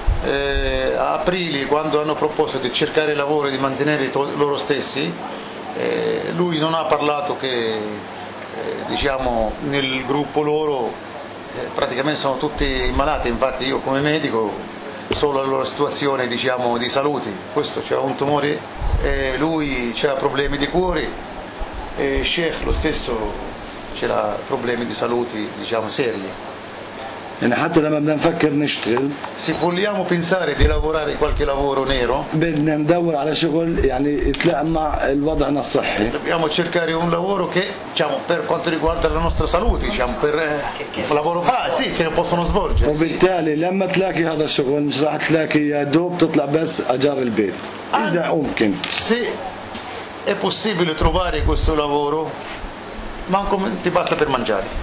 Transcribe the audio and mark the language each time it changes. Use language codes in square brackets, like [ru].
[it] Aprile quando hanno proposto di cercare lavoro e di mantenere loro stessi, lui non ha parlato che diciamo nel gruppo loro praticamente sono tutti malati, infatti io come medico solo la loro situazione diciamo di salute, questo c'è un tumore, lui c'ha problemi di cuore e Sheikh lo stesso c'ha problemi di salute diciamo seri. [ar] يعني حتى لما بدنا نفكر نشتغل [it] se vogliamo pensare di lavorare qualche lavoro nero [ar] بدنا ندور على شغل يعني يتلائم مع وضعنا الصحي. [it] Dobbiamo cercare un lavoro che diciamo per quanto riguarda la nostra salute diciamo per che lavoro fa sì che lo possono svolgere. [ar] وبالتالي لما تلاقي هذا الشغل مش راح تلاقي يا دوب تطلع بس اجار البيت اذا ممكن. [it] Se è possibile trovare questo lavoro manco ti basta per mangiare.